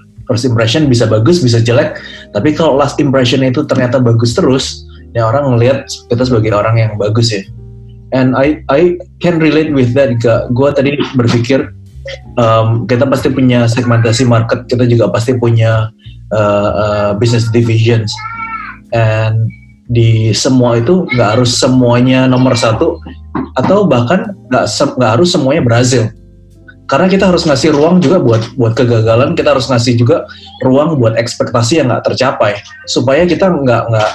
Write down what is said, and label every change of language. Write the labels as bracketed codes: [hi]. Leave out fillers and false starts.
[id] First impression bisa bagus, bisa jelek, tapi kalau last impression itu ternyata bagus terus, ya orang ngelihat kita sebagai orang yang bagus ya. [en] And I can relate with that. [id] Gua tadi berpikir, kita pasti punya segmentasi market, kita juga pasti punya business divisions, and di semua itu gak harus semuanya nomor satu, atau bahkan gak harus semuanya berhasil, karena kita harus ngasih ruang juga buat kegagalan, kita harus ngasih juga ruang buat ekspektasi yang gak tercapai, supaya kita gak